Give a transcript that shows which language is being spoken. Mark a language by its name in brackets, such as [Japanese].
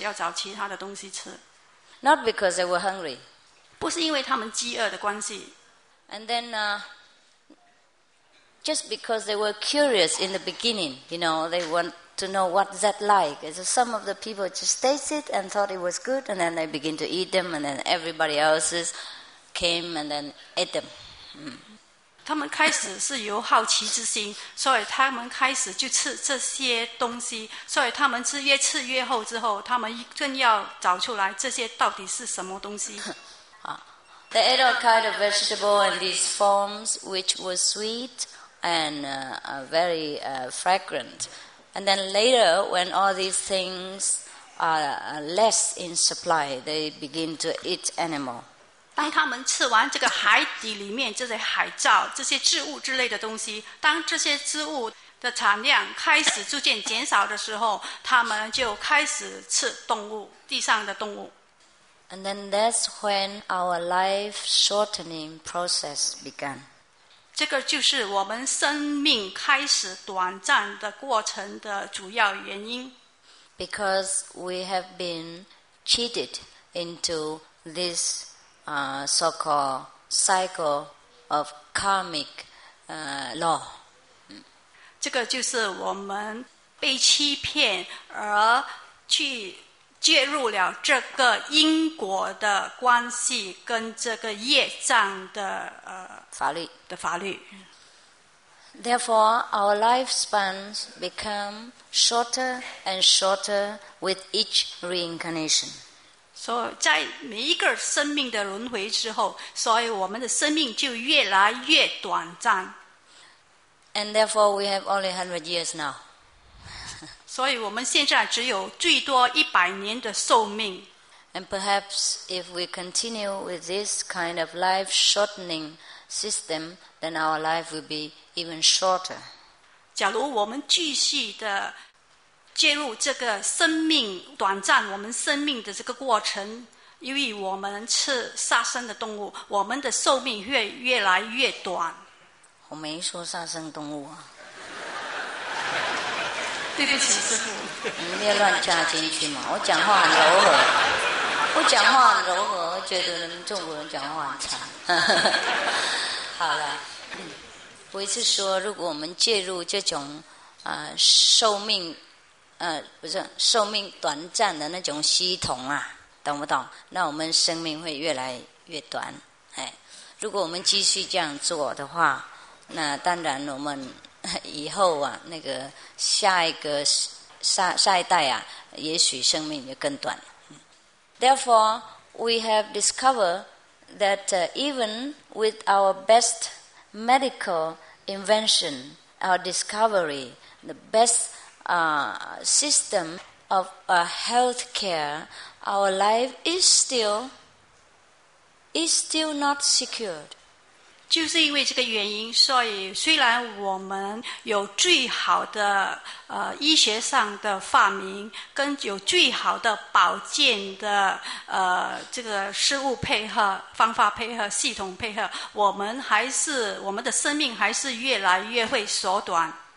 [Chinese] 这之后，他们就开始吃这个从海洋里面有这个形体的东西，他们开始吃。当他们吃光之后呢，他们又开始要找其他的东西吃。 [English] Not because they were hungry. [Chinese] 不是因为他们饥饿的关系。 [English] And then, just because they were curious in the beginning, you know, they want to know what's that like. So some of the people just taste it and thought it was good, and then they begin to eat them, and then everybody else came and then ate them. [Chinese] 他们开始是有好奇之心，所以他们开始就吃这些东西，所以他们吃越吃越厚之后，他们更要找出来这些到底是什么东西。 [English] They ate all kind of vegetable in these forms, which was sweet and very fragrant. And then later, when all these things are less in supply, they begin to eat animal. [Chinese] 当他们吃完这个海底里面这些海藻这些植物之类的东西，当这些植物的产量开始逐渐减少的时候，他们就开始吃动物，地上的动物。 [English] And then that's when our life shortening process began. [Chinese] 这个就是我们生命开始短暂的过程的主要原因。 [English] Because we have been cheated into thisso-called cycle of karmic law. [Chinese] 这个就是我们被欺骗而去介入了这个因果的关系跟这个业障的法律的法律。 [English] Therefore, our lifespans become shorter and shorter with each reincarnation. [Chinese] 所以在每一个生命的轮回之后，所以我们的生命就越来越短暂。 [English] And therefore we have only 100 years now. [Chinese] 所以我们现在只有最多100年的寿命。 [English] And perhaps if we continue with this kind of life shortening system, then our life will be even shorter. [Chinese] 假如我们继续的介入这个生命短暂我们生命的这个过程，由于我们吃杀生的动物，我们的寿命会 越来越短。我没说杀生动物啊。对不起师父，你别乱加进去嘛，我讲话很柔和，我讲话很柔和，我觉得中国人讲话很惨。好了，我是说如果我们介入这种寿命不是寿命短暂的那种系统啊，懂不懂？那我们生命会越来越短。哎，如果我们继续这样做的话，那当然我们以后啊，那个下一个下一代啊，也许生命就更短。 [English] Therefore, we have discovered that even with our best medical invention, our discovery, the bestsystem of a healthcare, our life is still not secured. [Chinese] 就是因为这个原因，所以虽然我们有最好的医学上的发明，跟有最好的保健的这个事物配合、方法配合、系统配合，我们的生命还是越来越会缩短。